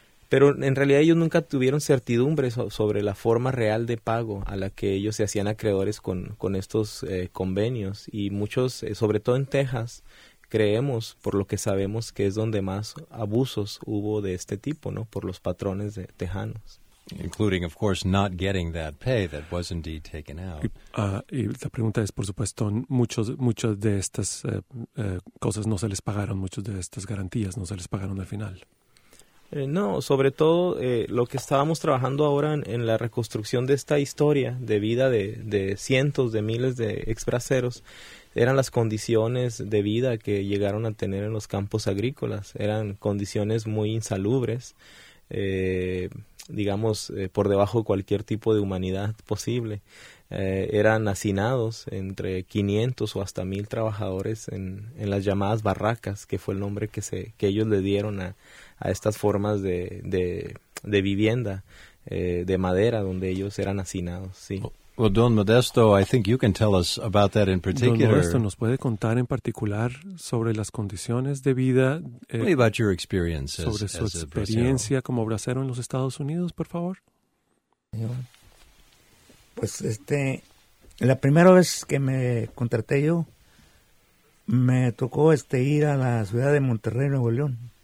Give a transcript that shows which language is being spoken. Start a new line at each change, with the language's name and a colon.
Spanish: Pero en realidad ellos nunca tuvieron certidumbre sobre la forma real de pago a la que ellos se hacían acreedores con estos convenios. Y muchos, sobre todo en Texas, creemos, por lo que sabemos, que es donde más abusos hubo de este tipo, ¿no? Por los patrones de tejanos.
English: Including, of course, not getting that pay that was indeed taken out.
Spanish: Y la pregunta es, por supuesto, muchos de estas cosas no se les pagaron, muchas de estas garantías no se les pagaron al final. No, sobre todo lo que estábamos trabajando ahora en la reconstrucción de esta historia de vida de cientos de miles de ex-braceros eran las condiciones de vida que llegaron a tener en los campos agrícolas. Eran condiciones muy insalubres, por debajo de cualquier tipo de humanidad posible. Eran hacinados entre 500 o hasta 1,000 trabajadores en las llamadas barracas, que fue el nombre que ellos le dieron a estas formas de vivienda de madera donde ellos eran hacinados, sí.
English: Well, Don Modesto, I think you can tell us about that in particular.
Spanish: Don Modesto, ¿nos puede contar en particular sobre las condiciones de vida?
English: Tell me about your experiences.
Spanish: Sobre su experiencia como bracero en los Estados Unidos, por favor. Pues la primera vez que me contraté yo, me tocó ir a la ciudad de Monterrey, Nuevo León.